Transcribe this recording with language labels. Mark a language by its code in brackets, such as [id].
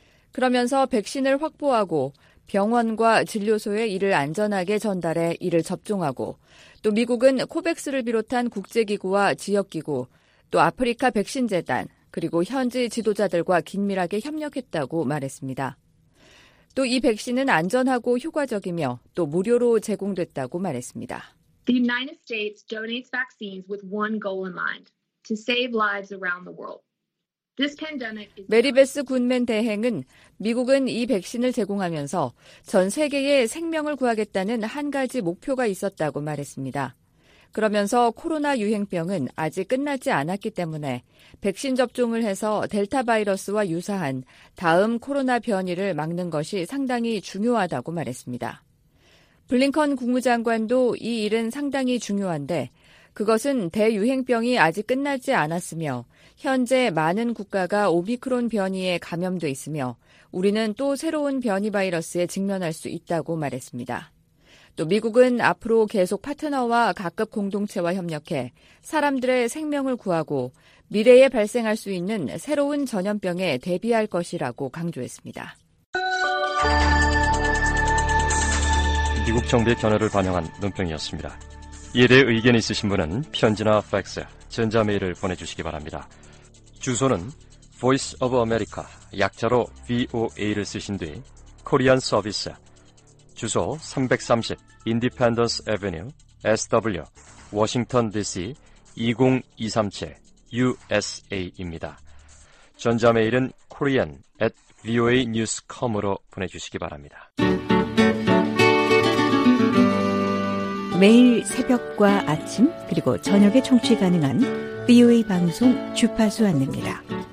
[ko] 그러면서 백신을 확보하고 병원과 진료소에 이를 안전하게 전달해 이를 접종하고 또 미국은 코백스를 비롯한 국제기구와 지역기구 또 아프리카 백신재단 그리고 현지 지도자들과 긴밀하게 협력했다고 말했습니다. 또 이 백신은 안전하고 효과적이며 또 무료로 제공됐다고 말했습니다. [en] The United States donates vaccines with one goal in mind, to save lives around the world. [ko] 메리베스 군맨 대행은 미국은 이 백신을 제공하면서 전 세계에 생명을 구하겠다는 한 가지 목표가 있었다고 말했습니다. 그러면서 코로나 유행병은 아직 끝나지 않았기 때문에 백신 접종을 해서 델타 바이러스와 유사한 다음 코로나 변이를 막는 것이 상당히 중요하다고 말했습니다. 블링컨 국무장관도 이 일은 상당히 중요한데 그것은 대유행병이 아직 끝나지 않았으며 현재 많은 국가가 오미크론 변이에 감염돼 있으며 우리는 또 새로운 변이 바이러스에 직면할 수 있다고 말했습니다. 또 미국은 앞으로 계속 파트너와 각급 공동체와 협력해 사람들의 생명을 구하고 미래에 발생할 수 있는 새로운 전염병에 대비할 것이라고 강조했습니다. 미국 정부의 견해를 반영한 논평이었습니다. 이에 대해 의견 있으신 분은 편지나 팩스, 전자메일을 보내주시기 바랍니다. 주소는 Voice of America, 약자로 VOA를 쓰신 뒤 Korean Service, 주소 330 Independence Avenue, SW, Washington DC 20237, USA입니다. 전자메일은 korean@voanews.com으로 보내주시기 바랍니다. 매일 새벽과 아침 그리고 저녁에 청취 가능한 VOA 방송 주파수 안내입니다.